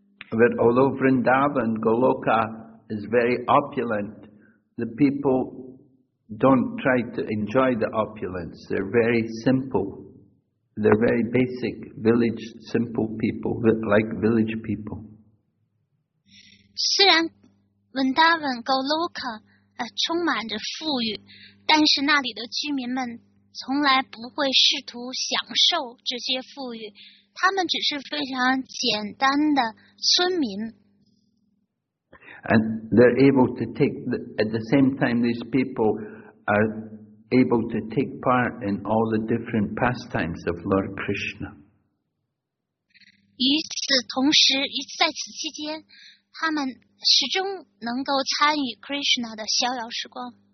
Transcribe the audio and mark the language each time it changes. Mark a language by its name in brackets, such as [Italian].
[English] But although Vrindavan, Goloka, is very opulent, the people don't try to enjoy the opulence. They're very simple. They're very basic village simple people, like village people. [Chinese] 虽然文达文 Goloka 充满着富裕，但是那里的居民们从来不会试图享受这些富裕，他们只是非常简单的村民。 [English] And they're able to take at the same time, these people are able to take part in all the different pastimes of Lord Krishna. [Chinese] 与此同时，在此期间。他们始终能够参与 Krishna 的逍遥时光。